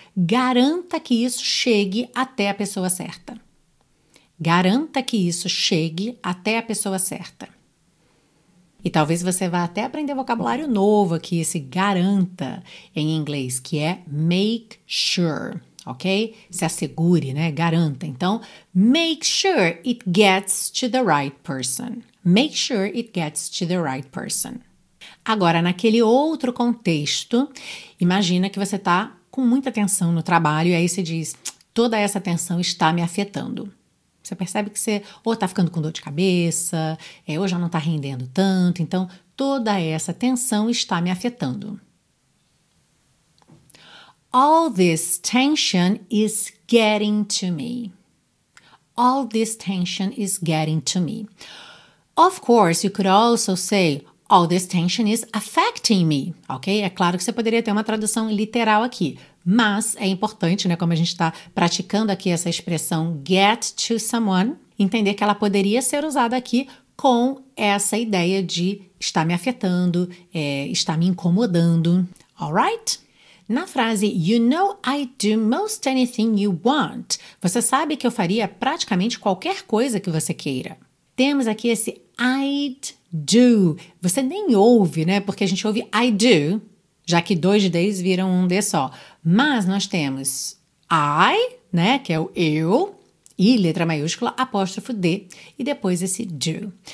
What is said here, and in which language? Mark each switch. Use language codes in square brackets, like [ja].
[pt] Garanta que isso chegue até a pessoa certa. Garanta que isso chegue até a pessoa certa. E talvez você vá até aprender vocabulário novo aqui, esse garanta em inglês, que é make sure, ok? Se assegure, né? Garanta. [en] Então, make sure it gets to the right person. Make sure it gets to the right person. [pt] Agora, naquele outro contexto, imagina que você está com muita tensão no trabalho e aí você diz, toda essa tensão está me afetando. Você percebe que você ou está ficando com dor de cabeça, ou já não está rendendo tanto. Então, toda essa tensão está me afetando. [en] All this tension is getting to me. All this tension is getting to me. Of course, you could also say, all this tension is affecting me. Ok? [pt] É claro que você poderia ter uma tradução literal aqui. Mas é importante, né, como a gente está praticando aqui essa expressão get to someone, entender que ela poderia ser usada aqui com essa ideia de estar me afetando, estar me incomodando. [en] Alright? [pt] Na frase, [en] you know I do most anything you want. [pt] Você sabe que eu faria praticamente qualquer coisa que você queira. Temos aqui esse I'd do. Você nem ouve, né, porque a gente ouve I do, já que dois D's viram um D só. Mas nós temos I, né, que é o eu, e letra maiúscula, apóstrofo D, e depois esse do.